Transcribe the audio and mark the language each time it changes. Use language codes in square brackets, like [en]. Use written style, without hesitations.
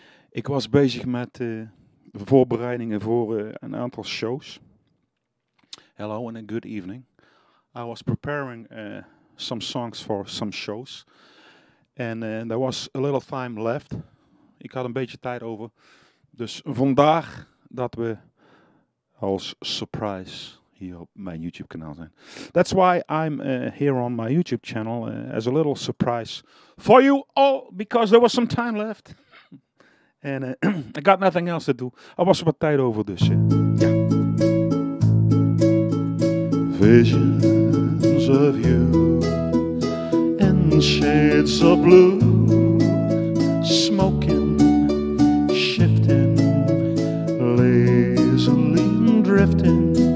[nl] Ik was bezig met voorbereidingen voor een aantal shows. [en] Hello and a good evening. I was preparing some songs for some shows. And there was a little time left. [nl] Ik had een beetje tijd over. Dus vandaar dat we als surprise hier op mijn YouTube kanaal zijn. [en] That's why I'm here on my YouTube channel as a little surprise for you all, because there was some time left. And I got nothing else to do. [nl] I was wat tijd over dus. [en] Yeah. Visions of you in shades of blue, smoking, shifting, lazily drifting.